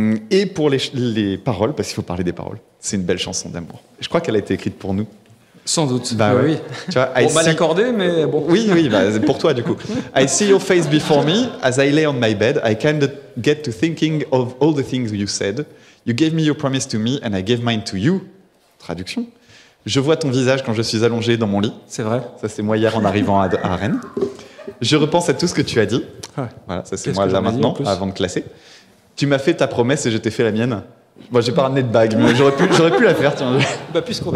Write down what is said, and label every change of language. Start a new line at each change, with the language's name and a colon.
French: Et pour les paroles, parce qu'il faut parler des paroles, c'est une belle chanson d'amour. Je crois qu'elle a été écrite pour nous. Sans doute. Bah oui. Tu vois, bon, mal accordé, mais bon. Oui, oui, bah, pour toi, du coup.
English: I see your face before me as I lay on my bed. I kind of get to thinking of all the things you said. You gave me your promise to me and I gave mine to you.
French: Traduction. Je vois ton visage quand je suis allongé dans mon lit. C'est vrai. Ça, c'est moi hier en arrivant à Rennes. Je repense à tout ce que tu as dit. Ouais. Voilà, ça, c'est qu'est-ce moi là maintenant, avant de classer. Tu m'as fait ta promesse et je t'ai fait la mienne. Moi, j'ai pas ramené de bague, mais j'aurais pu la faire, tiens. Bah, puisqu'on